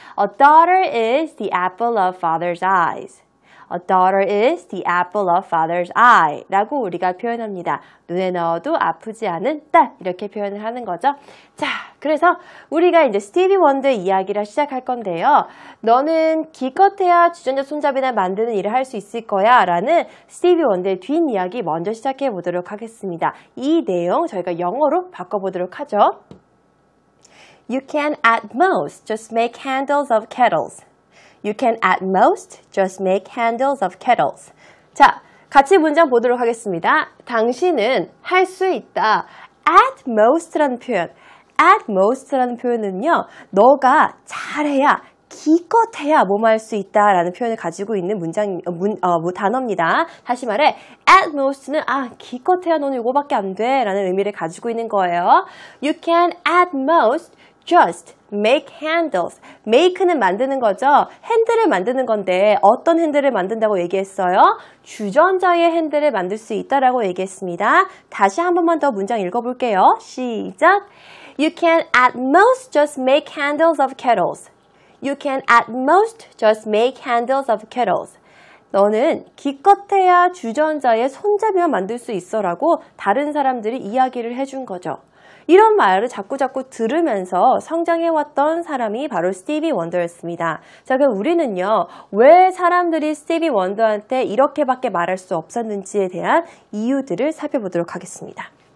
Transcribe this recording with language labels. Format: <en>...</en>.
<en>A daughter is the apple of father's eyes. A daughter is the apple of father's eye</en> <ko>라고 우리가 표현합니다. 눈에 넣어도 아프지 않은 딸 이렇게 표현을 하는 거죠. 자, 그래서 우리가 이제 스티비 원더의 이야기를 시작할 건데요. 너는 기껏해야 주전자 손잡이나 만드는 일을 할 수 있을 거야 라는 스티비 원더의 뒷이야기 먼저 시작해 보도록 하겠습니다. 이 내용 저희가 영어로 바꿔보도록 하죠.</ko> <en>You can at most just make handles of kettles. You can at most just make handles of kettles.</en> <ko>자, 같이 문장 보도록 하겠습니다. 당신은 할 수 있다. At most라는 표현. At most라는 표현은요, 너가 잘해야, 기껏해야 뭐 할 수 있다라는 표현을 가지고 있는 단어입니다. 다시 말해, at most는 기껏해야 너는 이거밖에 안 돼라는 의미를 가지고 있는 거예요.</ko> <en>You can at most just make handles.</en> <ko>make는 만드는 거죠. 핸들을 만드는 건데 어떤 핸들을 만든다고 얘기했어요? 주전자의 핸들을 만들 수 있다라고 얘기했습니다. 다시 한 번만 더 문장 읽어볼게요. 시작!</ko> <en>You can at most just make handles of kettles. You can at most just make handles of kettles.</en> <ko>너는 기껏해야 주전자의 손잡이만 만들 수 있어라고 다른 사람들이 이야기를 해준 거죠. 이런 말을 자꾸 들으면서 성장해왔던 사람이 바로 스티비 원더였습니다. 자, 그럼 우리는요, 왜 사람들이 스티비 원더한테 이렇게밖에 말할 수 없었는지에 대한 이유들을 살펴보도록 하겠습니다.</ko>